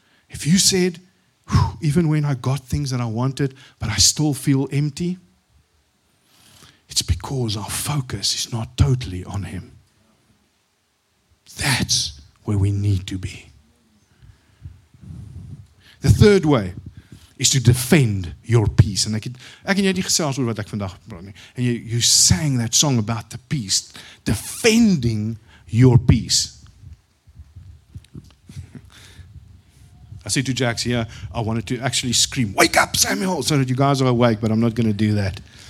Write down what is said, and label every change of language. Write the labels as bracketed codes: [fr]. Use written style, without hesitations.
[en] If you said, even when I got things that I wanted, but I still feel empty, it's because our focus is not totally on him. That's where we need to be. The third way is to defend your peace. [af] And ek en jy het nie gesels oor wat ek vandag praat nie. [en] And you sang that song about the peace, defending your peace. I said to Jax here, I wanted to actually scream, "Wake up, Samuel," so that you guys are awake, but I'm not going to do that.